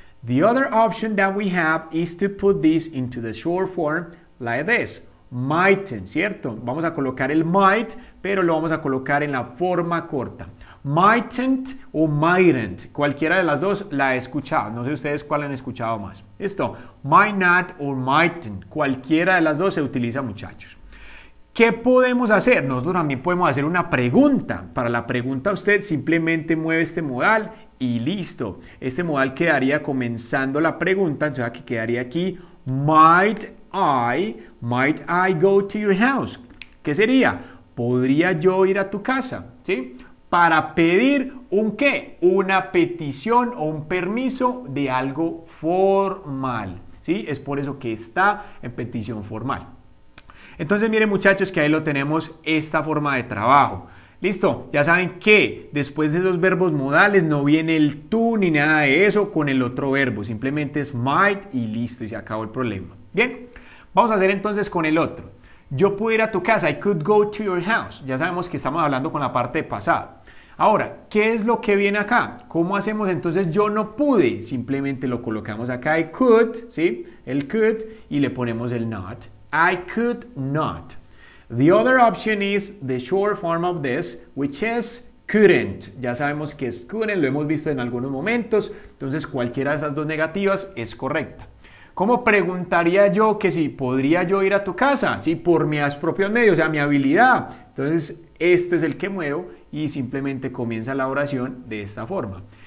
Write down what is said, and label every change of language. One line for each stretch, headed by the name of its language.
English: The other option that we have is to put this into the short form like this.
Spanish: Mightn't, ¿cierto? Vamos a colocar el might, pero lo vamos a colocar en la forma corta. Mightn't o mightn't, cualquiera de las dos la he escuchado. No sé ustedes cuál han escuchado más. Esto, might not o mightn't, cualquiera de las dos se utiliza, muchachos. ¿Qué podemos hacer? Nosotros también podemos hacer una pregunta. Para la pregunta usted simplemente mueve este modal y listo. Este modal quedaría comenzando la pregunta, o sea que quedaría aquí,
English: might I go to your house?
Spanish: ¿Qué sería? ¿Podría yo ir a tu casa? ¿Sí? Para pedir un qué, una petición o un permiso de algo formal, ¿sí? Es por eso que está en petición formal. Entonces, miren, muchachos, que ahí lo tenemos, esta forma de trabajo. ¿Listo? Ya saben que después de esos verbos modales no viene el tú ni nada de eso con el otro verbo. Simplemente es might y listo, y se acabó el problema. Bien, vamos a hacer entonces con el otro. Yo pude ir a tu casa,
English: I could go to your house.
Spanish: Ya sabemos que estamos hablando con la parte pasada. Ahora, ¿qué es lo que viene acá? ¿Cómo hacemos entonces yo no pude? Simplemente lo colocamos acá,
English: I could,
Spanish: ¿sí? El could, y le ponemos el not.
English: I could not. The other option is the short form of this, which is couldn't.
Spanish: Ya sabemos que es couldn't, lo hemos visto en algunos momentos. Entonces, cualquiera de esas dos negativas es correcta. ¿Cómo preguntaría yo que si podría yo ir a tu casa? Sí, por mis propios medios, o sea, mi habilidad. Entonces, este es el que muevo, y simplemente comienza la oración de esta forma.